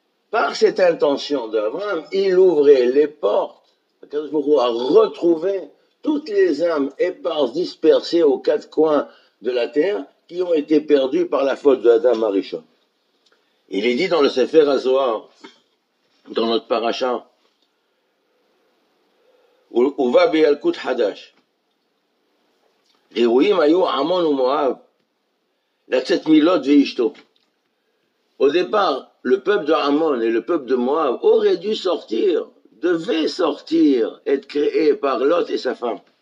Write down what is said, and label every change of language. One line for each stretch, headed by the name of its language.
French: Par cette intention d'Abraham, il ouvrait les portes à retrouver toutes les âmes éparses, dispersées aux quatre coins de la terre, qui ont été perdues par la faute d'Adam Arishon. Il est dit dans le Sefer HaZohar, dans notre paracha,
Hebrew: ובא בילקוט חדש. ראויים היו עמון ומואב לצאת מלוט ואשתו.
French: Au départ, le peuple de Amon et le peuple de Moab aurait dû sortir, devait sortir, être créé par Lot et sa femme.